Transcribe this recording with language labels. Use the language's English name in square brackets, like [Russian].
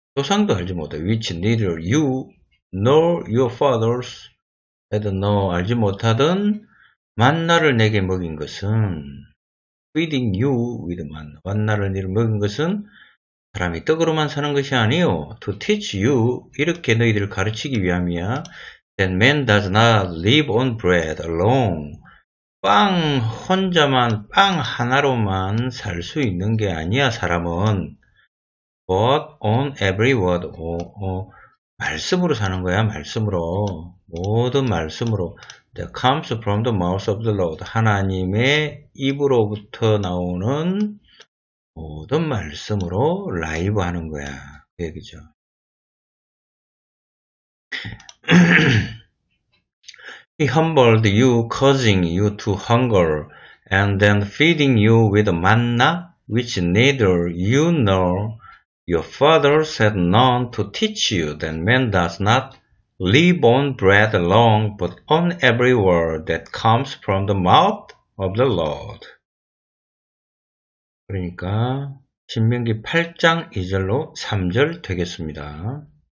[Korean] 조상도 알지 못하고, [English] which neither you nor your fathers had no [Korean] 알지 못하던 만나를 내게 먹인 것은, [English] feeding you with manna, [Korean] 만나를 내게 먹인 것은, 사람이 떡으로만 사는 것이 아니오. [English] To teach you, [Korean] 이렇게 너희들을 가르치기 위함이야. [English] That man does not live on bread alone. [Korean] 빵 혼자만, 빵 하나로만 살 수 있는 게 아니야, 사람은. [English] But on every word, [Korean] 말씀으로 사는 거야, 말씀으로. 모든 말씀으로. [English] That comes from the mouth of the Lord. [Korean] 하나님의 입으로부터 나오는 모든 말씀으로 라이브 하는 거야. 얘기죠. [English] 그 He humbled you, causing you to hunger, and then feeding you with manna, which neither you nor your fathers had known to teach you that man does not live on bread alone, but on every word that comes from the mouth of the Lord. [Korean] 그러니까 신명기 8장 2절로 3절 되겠습니다.